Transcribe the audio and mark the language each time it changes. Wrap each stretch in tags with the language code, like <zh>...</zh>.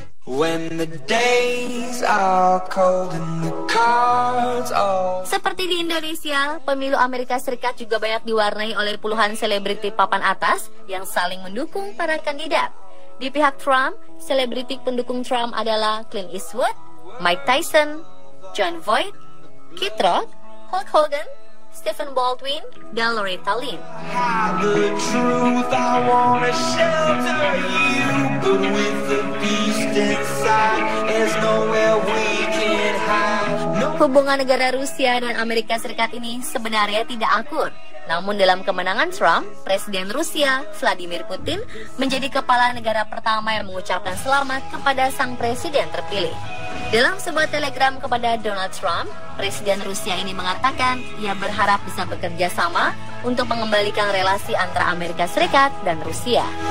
<en>When the days are cold and the cards are...</en> <id>Seperti di Indonesia, pemilu Amerika Serikat juga banyak diwarnai oleh puluhan selebriti papan atas yang saling mendukung para kandidat. Di pihak Trump, selebriti pendukung Trump adalah Clint Eastwood, Mike Tyson, John Voight, Kid Rock, Hulk Hogan, Stephen Baldwin, dan Loretta Lynn.</id> <en>The truth, I wanna shelter you, but with the beast inside, there's nowhere we can hide. No.</en> <id>hubungan negara Rusia dan Amerika Serikat ini sebenarnya tidak akur. Namun dalam kemenangan Trump, Presiden Rusia Vladimir Putin menjadi kepala negara pertama yang mengucapkan selamat kepada sang presiden terpilih. Dalam sebuah telegram kepada Donald Trump, Presiden Rusia ini mengatakan ia berharap bisa bekerja sama untuk mengembalikan relasi antara Amerika Serikat dan Rusia.</id>